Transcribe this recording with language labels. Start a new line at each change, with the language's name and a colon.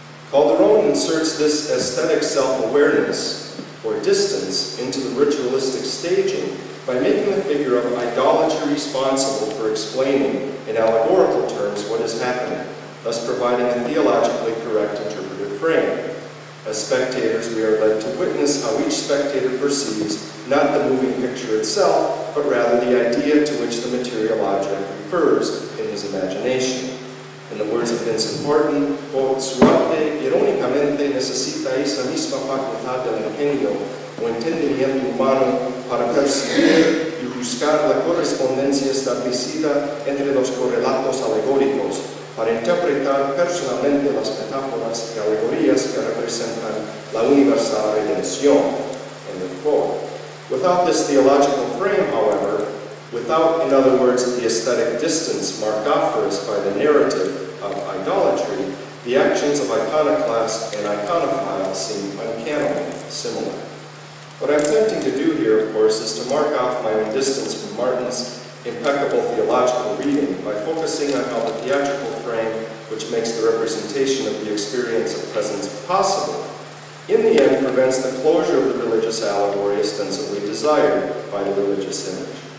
English: Calderon inserts this aesthetic self-awareness, or distance, into the ritualistic staging by making the figure of idolatry responsible for explaining, in allegorical terms, what is happening, thus providing a theologically correct interpretive frame. As spectators, we are led to witness how each spectator perceives not the moving picture itself, but rather the idea to which the material object refers in his imagination. In the words of Vincent Horton, quote,
Spanish: suerte ironicamente necesita esa misma facultad del ingenio o entendimiento humano para percibir y juzgar la correspondencia establecida entre los correlatos alegóricos para interpretar personalmente las metáforas y alegorías que representan la universal redención.
English: End of quote. Without this theological frame, however, without, in other words, the aesthetic distance marked off for us by the narrative of idolatry, the actions of iconoclast and iconophile seem uncannily similar. What I'm attempting to do here, of course, is to mark off my own distance from Martin's impeccable theological reading by focusing on how the theatrical frame, which makes the representation of the experience of presence possible, in the end prevents the closure of the religious allegory ostensibly desired by the religious image.